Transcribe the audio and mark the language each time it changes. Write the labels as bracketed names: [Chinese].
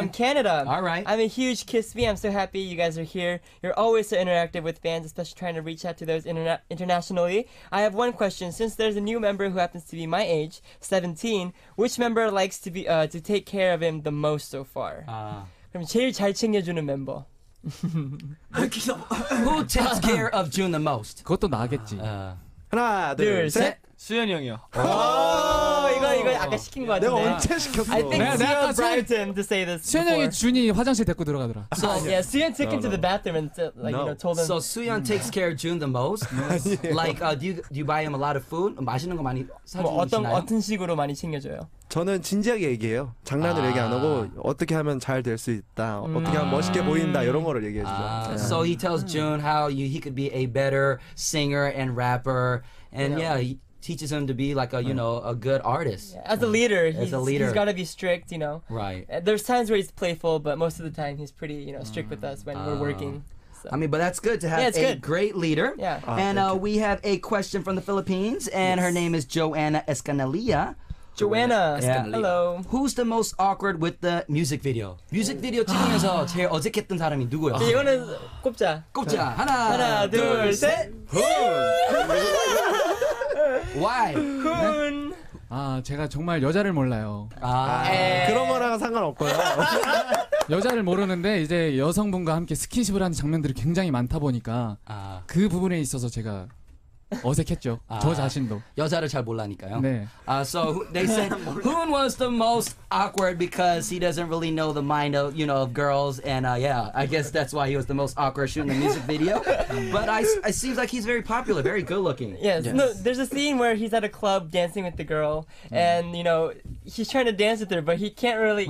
[English] From Canada. All right. I'm a huge KISS fan. I'm so happy you guys are here. You're always so interactive with fans, especially trying to reach out to those internationally. I have one question. Since there's a new member who happens to be my age, 17, which member likes to be to take care of him the most so far? [Korean] 그럼 제일 잘 챙겨주는 멤버. [English] Who takes care of Jun the most? [Korean] 그것도 나겠지. 하나, 둘, 셋. 수현 형이요. 이거 아까 시킨 거 같은데. 내가 언제 시켰어? [English] I think Suyeon bribed him to say this. [Korean] 수현 형이 준이 화장실 데리고 들어가더라. [English] So yeah, Suyeon took him to the bathroom and like you know told him. So Suyeon takes care of Jun the most. Like do you buy him a lot of food? [Korean] 맛있는 거 많이 사주시나요? 어떤 식으로 많이 챙겨줘요? 저는 진지하게 얘기해요. 장난을 얘기 안 하고 어떻게 하면 잘 될 수 있다, 어떻게 하면 멋있게 보인다 이런 거를 얘기해 주죠. [English] So he tells Jun how he could be a better singer and rapper, and yeah, he teaches him to be like a you know a good artist. Yeah. As a leader, he's got to be strict, you know. Right. There's times where he's playful, but most of the time he's pretty you know strict with us when we're working. So. I mean, but that's good to have a great leader. Yeah. And we have a question from the Philippines, and her name is Joanna Escanalia. Joanna, hello. Who's the most awkward with the music video? [Korean] Music video 찍으면서 제일 어색했던 사람이 누구야? 이거는 꼽자. 하나, 둘, 셋. [English] Why? [Korean] 훈. 아, 제가 정말 여자를 몰라요. 아, 그런 거랑 상관없고요. 여자를 모르는데 이제 여성분과 함께 스킨십을 하는 장면들이 굉장히 많다 보니까 그 부분에 있어서 제가 어색했죠. 저 자신도 여자를 잘 몰라니까요. 네. [English] So they said Hoon was the most awkward because he doesn't really know the mind of you know of girls and yeah, I guess that's why he was the most awkward shooting the music video. But it seems like he's very popular, very good looking. Yes. No, there's a scene where he's at a club dancing with the girl and you know he's trying to dance with her, but he can't really.